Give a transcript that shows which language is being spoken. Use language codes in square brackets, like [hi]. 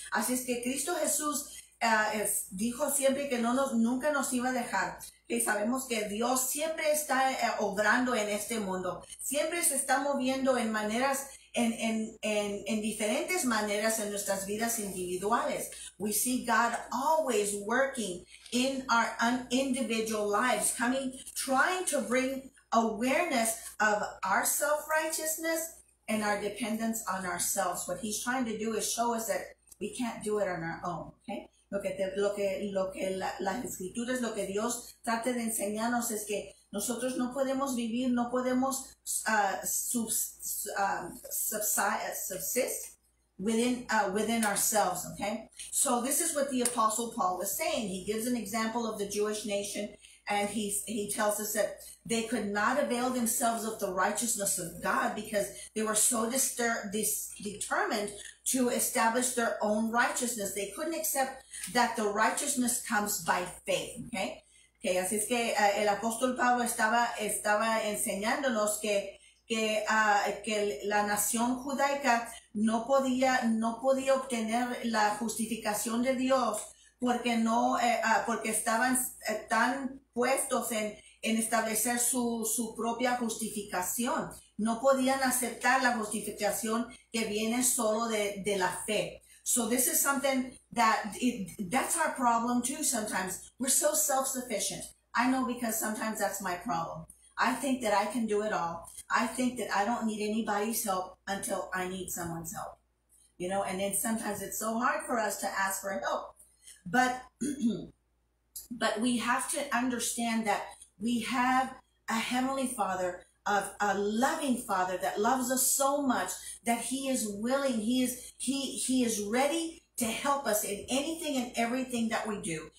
[es] Así es que Cristo Jesús dijo siempre que nunca nos iba a dejar. Que sabemos que Dios siempre está obrando en este mundo. Siempre se está moviendo en maneras en diferentes maneras en nuestras vidas individuales. [en] We see God always working in our individual lives, coming, trying to bring awareness of our self-righteousness and our dependence on ourselves. What he's trying to do is show us that we can't do it on our own, okay? [es] Lo que las escrituras, lo que Dios trata de enseñarnos es que nosotros no podemos vivir, no podemos [en] subsist within ourselves, [es] okay? [en] So this is what the Apostle Paul was saying. He gives an example of the Jewish nation, and he tells us that they could not avail themselves of the righteousness of God because they were so determined to establish their own righteousness. They couldn't accept that the righteousness comes by faith, okay? [es] Okay, así es que el apóstol Pablo estaba enseñándonos que la nación judaica no podía obtener la justificación de Dios porque porque estaban tan puestos en establecer su propia justificación. No podían aceptar la justificación que viene solo de la fe. [en] So this is something that's our problem too sometimes. We're so self-sufficient. I know, because sometimes that's my problem. I think that I can do it all. I think that I don't need anybody's help until I need someone's help. You know, and then sometimes it's so hard for us to ask for help. But but we have to understand that we have a Heavenly Father, of a loving Father that loves us so much that He is willing, He is ready to help us in anything and everything that we do.